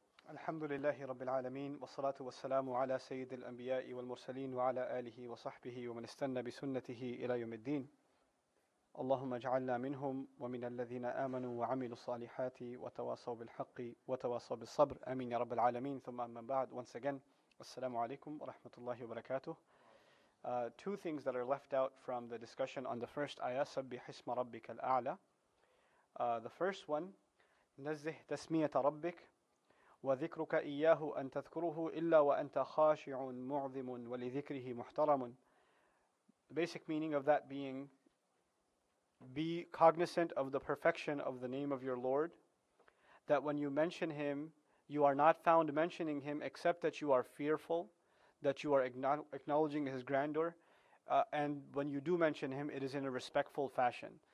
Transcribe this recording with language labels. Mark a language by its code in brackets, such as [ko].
[ar] الحمد لله رب العالمين والصلاة والسلام على سيد الأنبياء والمرسلين وعلى آله وصحبه ومن استنى بسنته إلى يوم الدين. اللهم اجعلنا منهم ومن الذين آمنوا وعملوا الصالحات وتواصوا بالحق وتواصوا بالصبر. آمين يا رب العالمين. ثم أما بعد, once again, السلام عليكم ورحمة الله وبركاته. [en] Two things that are left out from the discussion on the first ayah, سبح اسم ربك الأعلى. [ar] The first one, نزه تسمية ربك وذكرك إياه أن تذكره إلا وأنت خاشع معظم ولذكره محترم. [en] The basic meaning of that being, be cognizant of the perfection of the name of your Lord, that when you mention Him, you are not found mentioning Him except that you are fearful, that you are acknowledging His grandeur, and when you do mention Him, it is in a respectful fashion.